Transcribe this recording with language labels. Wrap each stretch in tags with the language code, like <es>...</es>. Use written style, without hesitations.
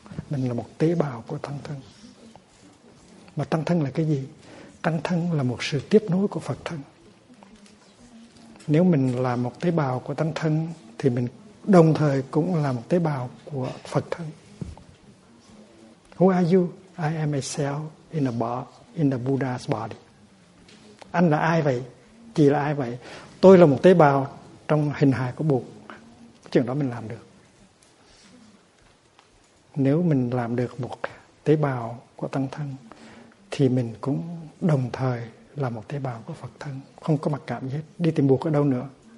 <vi>Mình là một tế bào của tăng thân. Mà tăng thân là cái gì? Tăng thân là một sự tiếp nối của Phật thân. Nếu mình là một tế bào của tăng thân, thì mình đồng thời cũng là một tế bào của Phật thân.</vi> <en>Who are you? I am a cell in the Buddha's body.</en> <vi>Anh là ai vậy? Chị là ai vậy? Tôi là một tế bào trong hình hài của buộc. Chuyện đó mình làm được. Nếu mình làm được một tế bào của tăng thân, thì mình cũng đồng thời là một tế bào của Phật thân. Không có mặc cảm gì hết. Đi tìm buộc ở đâu nữa?</vi>